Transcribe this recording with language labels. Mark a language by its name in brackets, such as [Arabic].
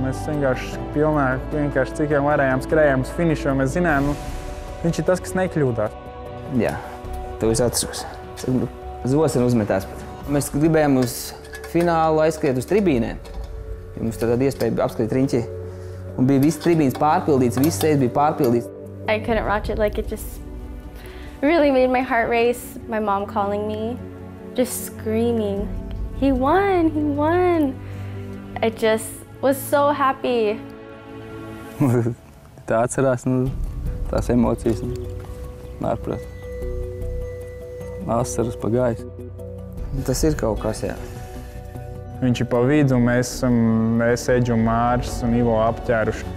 [Latvian] Mēs vienkārši cik jau varējām skrējām uz finišu, mēs zinājām, viņš ir tas, kas nekļūdās. Jā, tev es atceros. Zosina uzmetās pat. Mēs gribējām uz finālu aizskriet uz tribīnēm. Mums tad iespēja apskatīt riņķi. Un bija viss tribīnes pārpildīts, viss sēdes bija pārpildīts. [English] I couldn't watch it, like it just really made my heart race. My mom calling me, just screaming, he won, he won. I just was so happy. [Latvian] Tā atcerās, tās emocijas, nāprāt. Asaras pagājis. Tas ir kaut kas, jā. Viņš ir pa vidu, mēs Edžu un Māris un Ivo apķēruši.